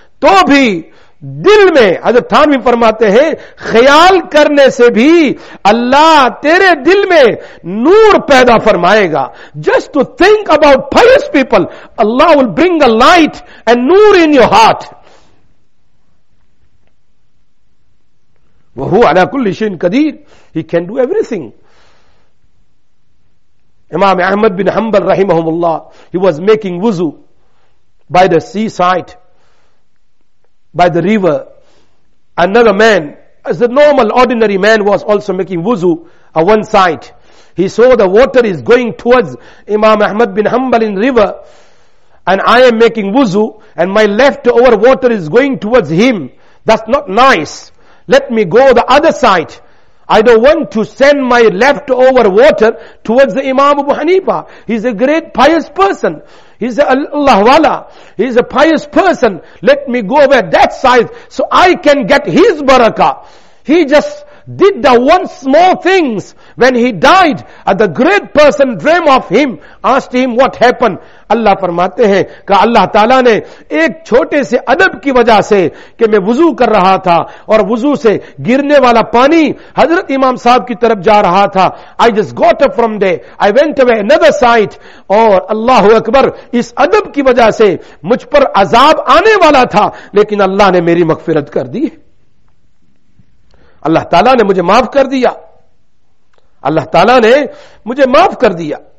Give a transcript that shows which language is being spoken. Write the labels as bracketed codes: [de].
[ur] تو بھی دل میں، حضرت تھانوی فرماتے ہیں خیال کرنے سے بھی اللہ تیرے دل میں نور پیدا فرمائے گا. [en] Just to think about pious people, اللہ will bring a light and نور in your heart. [ar] وہ علی کل شئی قدیر، [en] He can do everything. Imam Ahmad bin Hanbal rahimahumullah, he was making wuzu by the seaside, by the river. Another man, as a normal ordinary man, was also making wuzu at one side. He saw the water is going towards Imam Ahmad bin Hanbal in river, and I am making wuzu and my leftover water is going towards him. That's not nice. Let me go the other side. I don't want to send my leftover water towards the Imam Abu Hanifa. He's a great pious person. He's a Allah wala. He's a pious person. Let me go over that side so I can get his barakah. He just did the one small things. When he died, the great person dream of him, asked him what happened. [ur] اللہ فرماتے ہیں کہ اللہ تعالیٰ نے ایک چھوٹے سے ادب کی وجہ سے کہ میں وضو کر رہا تھا اور وضو سے گرنے والا پانی حضرت امام صاحب کی طرف جا رہا تھا، [en] I just got up from there, I went away another site, [ur] اور اللہ اکبر اس ادب کی وجہ سے مجھ پر عذاب آنے والا تھا لیکن اللہ نے میری مغفرت کر دی، اللہ تعالیٰ نے مجھے معاف کر دیا، اللہ تعالیٰ نے مجھے معاف کر دیا.